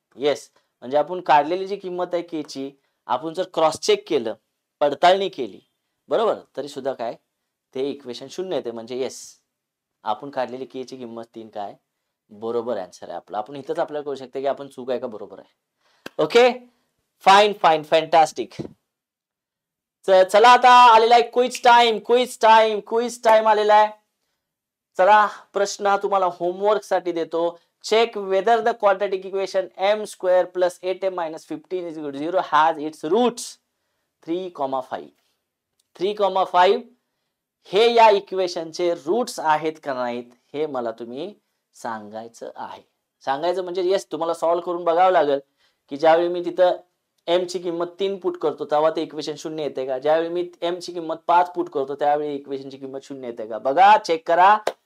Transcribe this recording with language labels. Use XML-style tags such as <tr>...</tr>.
<mr>Yes, म्हणजे आपण काढलेली जी किंमत आहे केची, आपण जर क्रॉस चेक केलं, पडताळणी केली बरोबर, तरी सुद्धा काय ते इक्वेशन 0 येते, म्हणजे येस आपण काढलेली के ची किंमत 3 काय बरोबर आन्सर आहे आपला. आपण इथंच आपल्याला करू शकते की आपण चूक आहे का बरोबर आहे.</mr> <en>Okay fine fine fantastic.</en> <mr>चला आता आलेला आहे quiz time, quiz time, quiz time आलेला आहे. चला प्रश्न हा तुम्हाला होमवर्क साठी देतो.</mr> <en>Check whether the quadratic equation m square plus 8m minus 15 is equal to 0 has its roots 3.5.</en> <mr>हे या इक्वेशनचे रूट्स आहेत का नाहीत हे मला तुम्ही सांगायचं आहे. सांगायचं म्हणजे येस, तुम्हाला सॉल्व्ह करून बघावं लागेल की ज्यावेळी मी तिथं एम ची किंमत 3 पुट करतो तेव्हा ते इक्वेशन 0 येते का, ज्यावेळी मी एम ची किंमत 5 पुट करतो त्यावेळी इक्वेशनची किंमत 0 येते का, बघा चेक करा.</mr>